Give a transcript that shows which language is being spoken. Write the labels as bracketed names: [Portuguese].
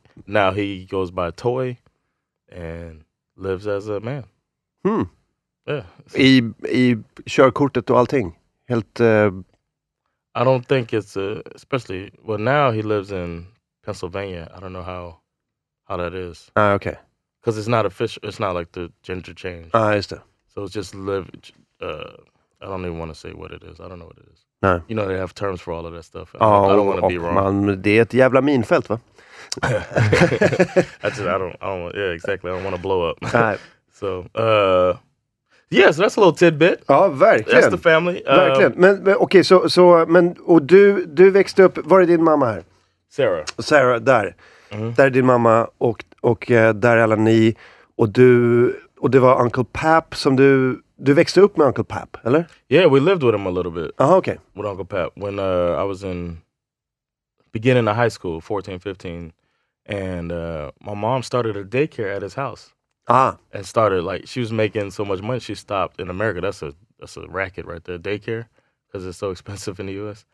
[English] Now he goes by Toy and lives as a man. Hmm. Yeah. [Swedish] I körkortet och allting. Helt. [English] I don't think it's especially. Well, now he lives in Pennsylvania. I don't know how that is. Ah, okay. Because it's not official. It's not like the gender change. Ah, just. So it's just live. I don't even want to say what it is. I don't know what it is. No. You know they have terms for all of that stuff. Oh, I don't want to be wrong. [Swedish] Man, det är ett jävla minfält, va? [English] I don't. Yeah, exactly. I don't want to blow up. Right. So. Yeah, so that's a little tidbit. [Swedish] Ja, verkligen. [English] That's the family. [Swedish] Verkligen. Men okej, okay, så men och du växte upp, var är din mamma här? Sarah där. Mm-hmm. Där är din mamma och där är alla ni och det var Uncle Pap som du växte upp med Uncle Pap, eller? [English] Yeah, we lived with him a little bit. Oh, okay. With Uncle Pap when I was in beginning of high school, 14, 15, and my mom started a daycare at his house. Ah. And started, like, she was making so much money, she stopped in America. That's a racket right there, daycare, because it's so expensive in the U.S.